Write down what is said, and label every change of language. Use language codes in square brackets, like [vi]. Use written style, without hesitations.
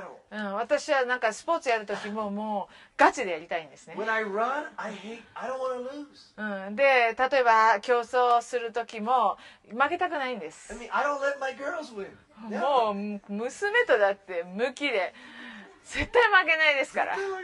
[ja] 私はなんかスポーツやるときももうガチでやりたいんですね。 [en] When I run, I don't wanna lose. [ja] で例えば競争するときも負けたくないんです。 [en] I mean, I don't let my girls win. [ja] もう娘とだって向きで絶対負けないですから。